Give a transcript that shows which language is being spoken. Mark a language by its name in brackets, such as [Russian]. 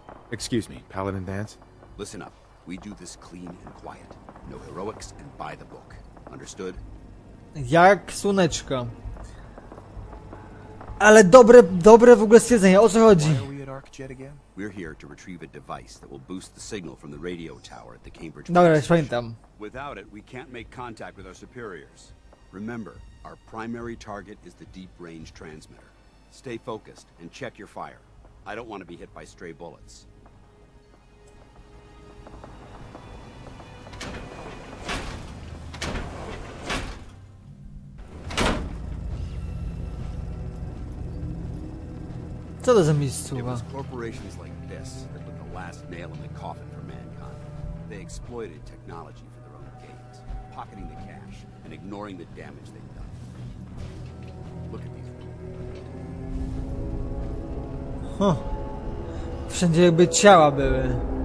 [English] Excuse me, Paladin Dance? Listen up. We do this clean and quiet. No heroics and by the book. Understood? [Polish] Jak słoneczko. Ale dobre, dobre w ogóle stwierdzenie. O co chodzi? [English] Why are we at ARCJET again? We're here to retrieve a device that will boost the signal from the radio tower at the Cambridge. [Polish] Dobra, już pamiętam. [English] Without it, we can't make contact with our superiors. Remember, our primary target is the deep range transmitter. Stay focused and check your fire. I don't want to be hit by stray bullets. [Polish] Co to za miejscówa? [English] It was corporations like this that put the last nail in the coffin for mankind. They exploited technology for their own gains, pocketing the cash and ignoring the damage they've done. Look at these. Huh. [Polish] Wszędzie jakby ciała były.